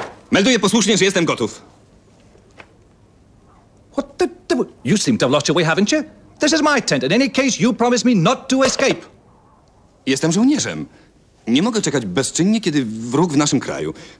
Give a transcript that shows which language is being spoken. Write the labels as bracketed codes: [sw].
[pl] Melduję posłusznie, że jestem gotów. [en] What the devil? You seem to have lost your way, haven't you? This is my tent. In any case, you promise me not to escape. [pl] Jestem żołnierzem. Nie mogę czekać bezczynnie, kiedy wróg w naszym kraju.